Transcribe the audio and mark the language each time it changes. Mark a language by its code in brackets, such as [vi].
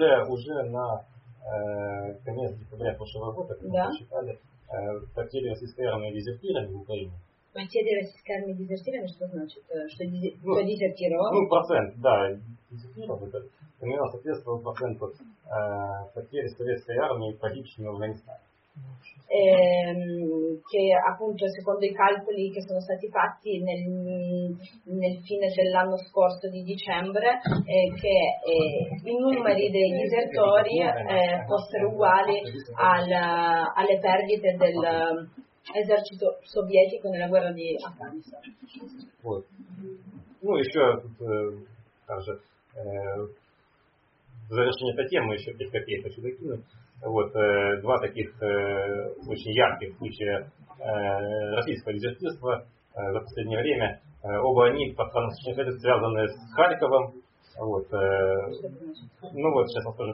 [ru] Уже на конец декабря прошлого года, когда мы посчитали, потери российской армии дезертирами в Украине. Потери российской армии дезертирами, что значит? Что кто дезертировал? Ну, процент, да, дезертиров, это примерно соответствовало проценту потери советской армии, погибшими в Афганистане. [it] Che appunto secondo i calcoli che sono stati fatti nel fine dell'anno scorso di dicembre, che i numeri dei disertori fossero uguali alle perdite dell'esercito sovietico nella guerra di Afghanistan. [ru] Ну еще тут также завершение этой темы еще 5 копеек хочу докинуть. Вот два таких очень ярких случая российского дезертирства за последнее время. Оба они связаны с Харьковом. Вот, ну вот, сейчас вам скажу.